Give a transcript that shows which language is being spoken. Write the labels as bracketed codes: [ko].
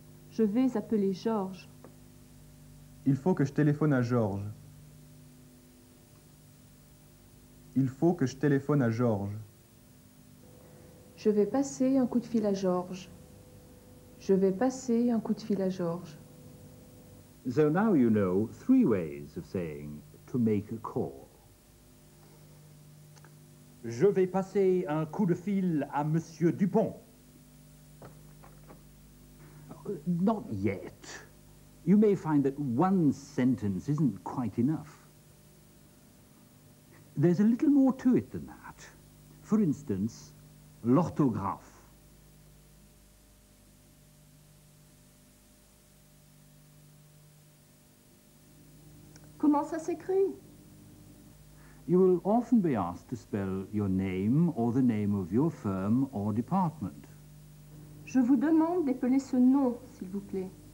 [fr] Je vais appeler Georges. Il faut que je téléphone à Georges. Il faut que je téléphone à Georges. Je vais passer un coup de fil à Georges. Je vais passer un coup de fil à Georges. [en] So now you know three ways of saying to make a call. [fr] Je vais passer un coup de fil à Monsieur Dupont. [en] Not yet. You may find that one sentence isn't quite enough. There's a little more to it than that. For instance, l'orthographe. [fr] Comment ça s'écrit? [en] You will often be asked to spell your name or the name of your firm or department. [fr] Je vous demande d'épeler ce nom, s'il vous plaît.